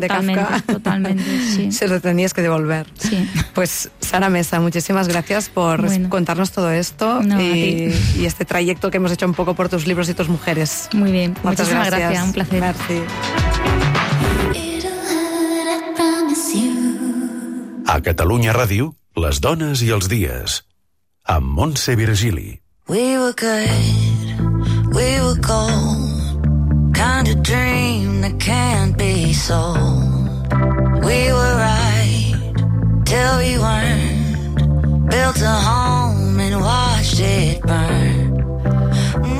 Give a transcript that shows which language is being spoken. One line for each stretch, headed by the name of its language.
Spanish: totalmente, de Kafka. Totalmente, sí. Se lo tenías que devolver. Sí. Pues, Sara Mesa, muchísimas gracias por contarnos todo esto y este trayecto que hemos hecho un poco por tus libros y tus mujeres. Muy bien. Muchísimas gracias. Un placer.
Catalan: Merci. A Catalunya Ràdio, les dones i els dies. Amb Montse Virgili.
English: We were good, we were gold. Kind of dream that can't be sold. We were right, till we weren't. Built a home and watched it burn.